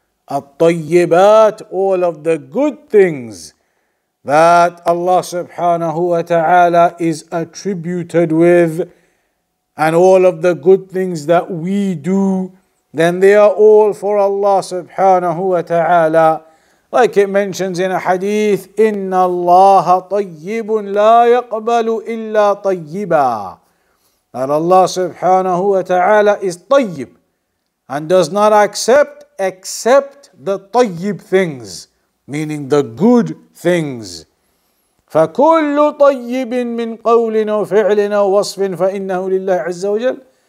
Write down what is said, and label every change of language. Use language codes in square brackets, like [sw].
[en] الطَّيِّبَاتِ All of the good things that Allah subhanahu wa ta'ala is attributed with, and all of the good things that we do, then they are all for Allah subhanahu wa ta'ala. Like it mentions in a hadith, [ar] إِنَّ اللَّهَ طَيِّبٌ لَا يَقْبَلُ إِلَّا طَيِّبًا. [en] That Allah subhanahu wa ta'ala is طَيِّب and does not accept except the طَيِّب things, meaning the good things. [ar] فَكُلُّ طَيِّبٍ مِّن قَوْلٍ وَفِعْلٍ وَوَصْفٍ فَإِنَّهُ لِلَّهِ عَزَّ وَجَلٍ.